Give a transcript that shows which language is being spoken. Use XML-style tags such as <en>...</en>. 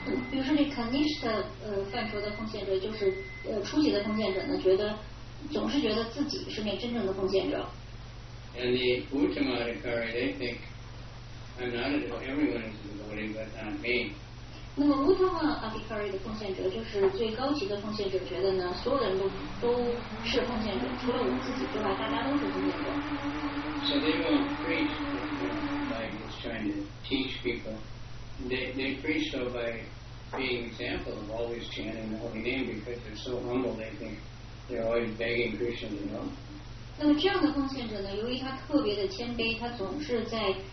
<zh>比如说这 Kanishka 范畴的奉献者，就是初级的奉献者呢，觉得总是觉得自己是那真正的奉献者。</zh> <en>And the Uttamadikari, they think I'm not a devotee. Everyone is a devotee, but not me.</en> <zh>那么乌汤旺阿比卡瑞的奉献者就是最高级的奉献者，觉得呢所有人都是奉献者，除了我们自己之外，大家都是奉献者。</zh> <en>So they won't preach by just trying to teach people. They preach though by being example of always chanting the holy name because they're so humble. They think they're always begging Krishna to help.</en> <zh>那么这样的奉献者呢，由于他特别的谦卑，他总是在。</zh>